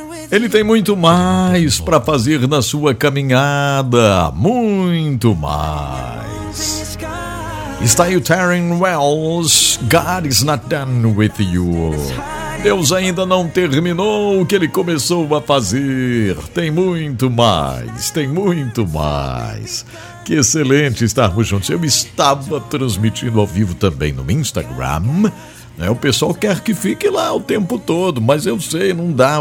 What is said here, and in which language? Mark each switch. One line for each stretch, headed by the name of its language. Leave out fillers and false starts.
Portuguese: Ele tem muito mais para fazer na sua caminhada! Muito mais! Está aí o
English: Taryn Wells, God is not done with you.
Portuguese: Deus ainda não terminou o que ele começou a fazer. Tem muito mais, tem muito mais. Que excelente estarmos juntos. Eu estava transmitindo ao vivo também no Instagram. O pessoal quer que fique lá o tempo todo, mas eu sei, não dá.